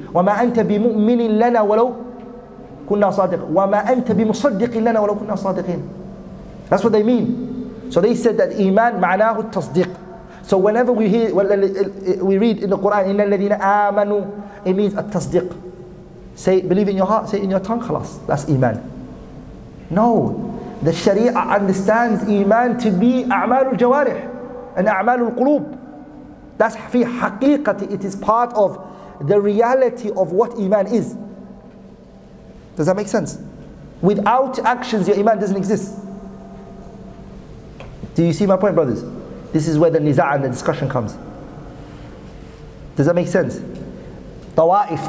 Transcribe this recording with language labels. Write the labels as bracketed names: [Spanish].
[Arabic] وَمَا أَنْتَ بِمُؤْمِنٍ لَنَا وَلَوْ كُنَّا صَادِقٍ وَمَا أَنْتَ بِمُصَدِّقٍ لَنَا وَلَوْ كُنَّا صَادِقٍ. [English] That's what they mean. So they said that iman ma'anahu at-tasdiq. So whenever we read in the Quran, [Arabic] إِنَّ الَّذِينَ آمَنُوا, [English] it means التصديق. Say, believe in your heart, say it in your tongue, خلاص, that's Iman. No, the Sharia understands Iman to be [Arabic] أعمال الجوارح [English] and [Arabic] أعمال القلوب. [English] That's [Arabic] في حقيقة, [English] it is part of the reality of what Iman is. Does that make sense? Without actions, your Iman doesn't exist. Do you see my point, brothers? This is where the niza' and the discussion comes. Does that make sense? Tawa'if.